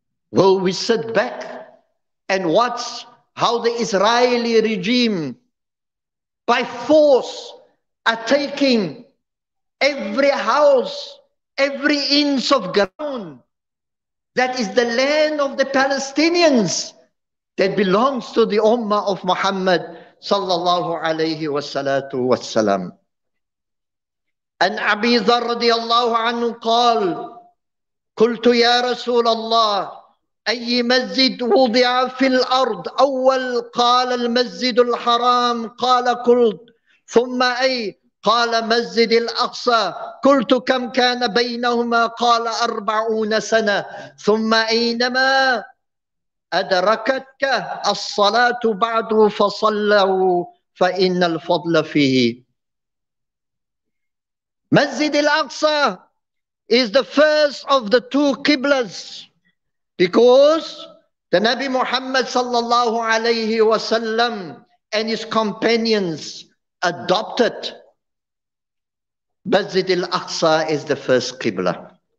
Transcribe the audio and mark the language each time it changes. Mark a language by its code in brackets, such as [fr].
[en] Will we sit back and watch how the Israeli regime by force are taking every house, every inch of ground that is the land of the Palestinians that belongs to the Ummah of Muhammad sallallahu alayhi wa salatu wa salam? [ar] أن أبي ذر رضي الله عنه قال قلت يا رسول الله أي مسجد وضع في الأرض أول؟ قال المسجد الحرام. قال قلت ثم أي؟ قال مسجد الأقصى. قلت كم كان بينهما؟ قال 40 سنة. ثم أينما أدركتك الصلاة بعد فصلوا فإن الفضل فيه. [en] Masjid al-Aqsa is the first of the two Qiblas, because the Nabi Muhammad sallallahu alayhi wasallam and his companions adopted Masjid al-Aqsa as the first Qibla.